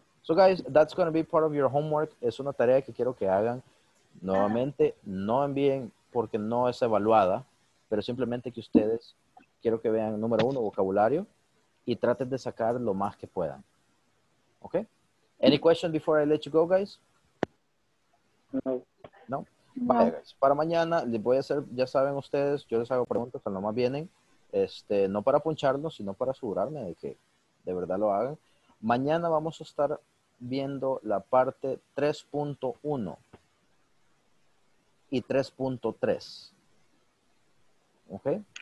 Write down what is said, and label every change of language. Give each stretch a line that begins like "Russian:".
English: So guys, that's going to be part of your homework.
Spanish: Es una tarea que quiero que hagan. Nuevamente, no envíen porque no es evaluada, pero simplemente que ustedes quiero que vean, número uno, vocabulario, y traten de sacar lo más que puedan.
English: Okay? Any question before I let you go, guys? No.
Spanish: No? Vale, guys. Para mañana, les voy a hacer, ya saben ustedes, yo les hago preguntas, al nomás vienen, no para puncharnos, sino para asegurarme de que de verdad lo hagan. Mañana vamos a estar viendo la parte 3.1 y 3.3. Okay?